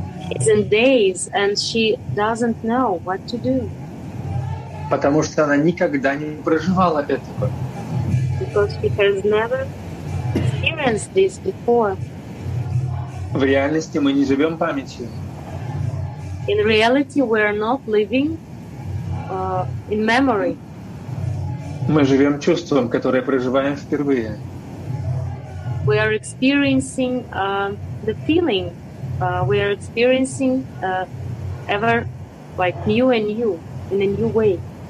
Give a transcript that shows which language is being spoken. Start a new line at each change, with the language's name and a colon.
English: It's in days, and she doesn't know what to do.
Russian: Потому что она никогда не проживала этого.
English: Because she has never experienced this before.
Russian: В реальности мы не живем памятью.
English: In reality, we are not living in memory.
Russian: Мы живем чувством, которое проживаем впервые.
English: We are experiencing the feeling. We are experiencing ever like new and new in a new way.